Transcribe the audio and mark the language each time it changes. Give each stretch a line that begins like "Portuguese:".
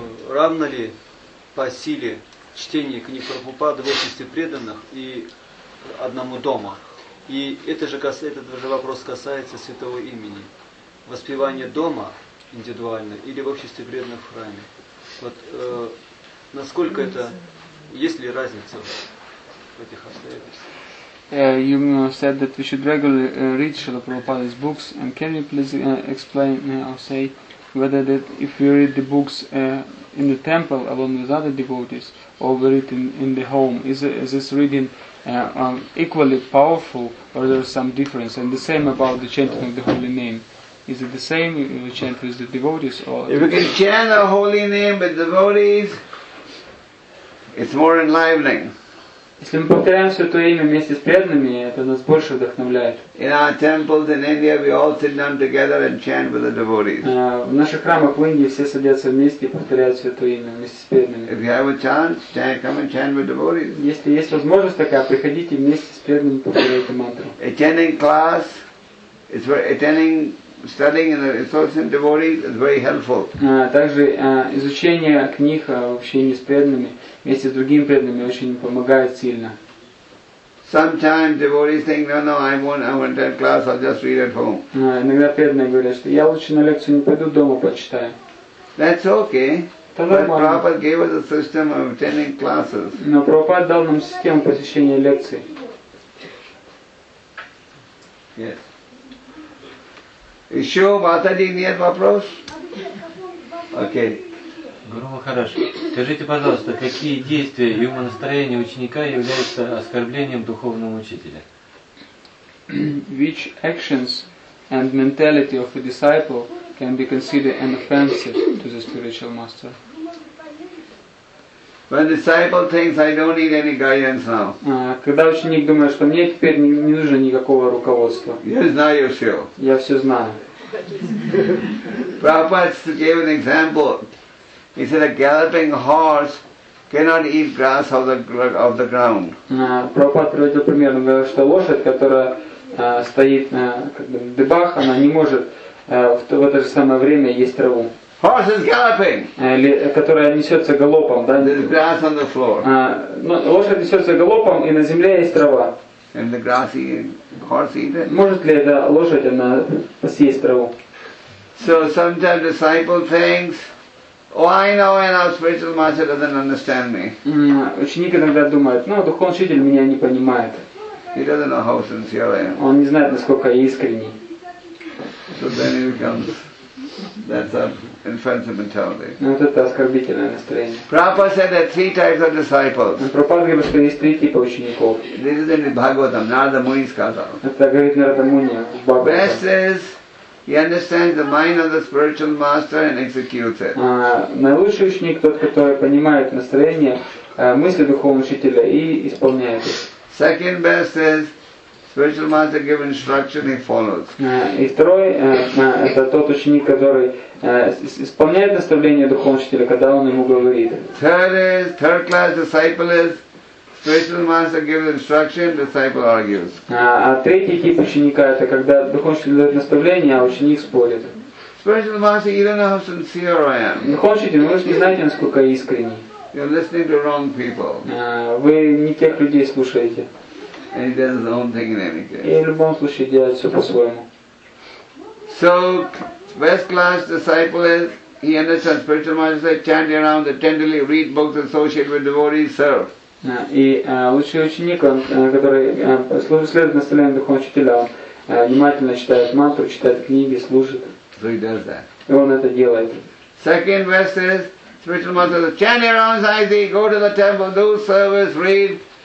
Russian: Равно ли по силе чтения книг Прабхупады в обществе преданных и одному дома? И этот же вопрос касается святого имени. Воспевание дома индивидуально или в обществе преданных в храме? Вот насколько это, есть ли разница в этих обстоятельствах?
English: You said that we should regularly read Srila Prabhupada's books, and can you please explain or say whether that if you read the books in the temple along with other devotees or we read in the home, is this reading equally powerful or there is some difference? And the same about the chanting of the holy name, is it the same if you chant with the devotees or if you can chant the holy name with devotees, it's more enlivening.
Russian: Если мы повторяем Святое Имя вместе с преданными, это нас больше вдохновляет.
English: In our temples in India, we all sit down together and chant with the devotees.
Russian: В наших храмах в Индии все садятся вместе и повторяют Святое Имя вместе с преданными.
English: If you have a chance, stand, come and chant with devotees.
Russian: Если есть возможность такая, приходите вместе с преданными повторяйте мантру.
English: Attending class, it's for attending. Studying in the association of devotees is very helpful.
Russian: Также изучение книг вообще не с преданными, вместе с другими преданными очень помогает сильно.
English: Sometimes devotees think, no, no, I won't attend class. I'll just read at home.
Russian: Иногда преданные говорят, что я лучше на лекцию не пойду, дома почитаю.
English: That's okay. Prabhupada gave us a system of attending classes.
Russian: Но Прабхупада дал нам систему посещения лекций.
English: Yes.
Russian: Еще Матади нет вопрос? Окей. Гуру Махарадж, скажите, пожалуйста, какие действия и умонастроение ученика являются оскорблением духовного учителя?
English: Which actions and mentality of a disciple can be considered an offense to the spiritual master? When disciple thinks I don't need any guidance now.
Russian: Когда ученик думает, что мне теперь не нужно никакого руководства. Я знаю все. Я все знаю.
English: Prabhupada gave an example. He said a galloping horse cannot eat grass of the ground.
Russian: Prabhupada приводил пример, он говорил, что лошадь, которая стоит на дыбах, она не может в это же самое время есть траву.
English: Horse is galloping.
Russian: Которая несется галопом, да?
English: There's grass on the floor.
Russian: Лошадь несется галопом, и на земле есть трава.
English: And the grassy horse eat it?
Russian: Может ли эта лошадь она съесть траву?
English: So sometimes disciple thinks, oh, I know, and our spiritual master doesn't understand me.
Russian: Ученик иногда думает, ну, духовный учитель меня не понимает.
English: He doesn't know how sincere I am.
Russian: Он не знает, насколько я искренний.
English: So then it becomes that's an offensive mentality.
Russian: Ну, вот это оскорбительное настроение.
English: Prabhupada said there are three types of disciples.
Russian: Prabhupada говорит, что есть три типа учеников.
English: This is in the Bhagavatam, Narada Muni
Russian: сказал. Это говорит Нарада Муни в Бхагаватам.
English: Best is he understands the mind of the spiritual master and executes it.
Russian: Наилучший ученик тот, который понимает настроение, мысли духовного учителя и исполняет их.
English: Second best is spiritual master give instruction, he follows.
Russian: И второй это тот ученик, который исполняет наставление духовного учителя, когда он ему говорит.
English: Third class disciple is spiritual master gives instruction, disciple argues.
Russian: А третий тип ученика это когда духовный учитель дает наставление, а ученик спорит.
English: Spiritual master, you don't know how sincere I am.
Russian: Духовный учитель, вы же не знаете, насколько я искренний.
English: You're listening to wrong people.
Russian: Вы не тех людей слушаете.
English: And he does his own thing in any case.
Russian: И в любом случае делает все по-своему.
English: So, best class disciple is, he understands spiritual master said, chant around the tenderly, read books, associate with devotees, serve.
Russian: И лучший ученик, который следует наставлению духовного учителя, он внимательно читает мантру, читает книги, служит.
English: So he does that.
Russian: И он это делает.
English: Second best is, spiritual master says, chant around Zaydi, go to the temple, do service, read.